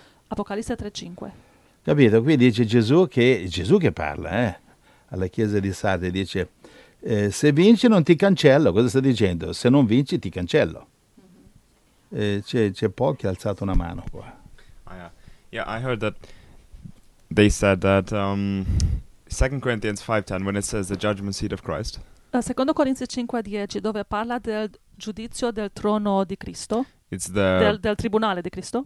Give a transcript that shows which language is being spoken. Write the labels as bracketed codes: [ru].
[it] Apocalisse 3:5. Capito? Qui dice Gesù che parla, alla chiesa di Sardi, dice, se vinci non ti cancello, cosa sta dicendo? Se non vinci ti cancello. C'è Po che ha alzato una mano qua. [en] I heard that they said that 2 Corinthians 5:10, when it says the judgment seat of Christ, [it] Secondo Corinzi 5:10, dove parla del giudizio del trono di Cristo, del tribunale di Cristo.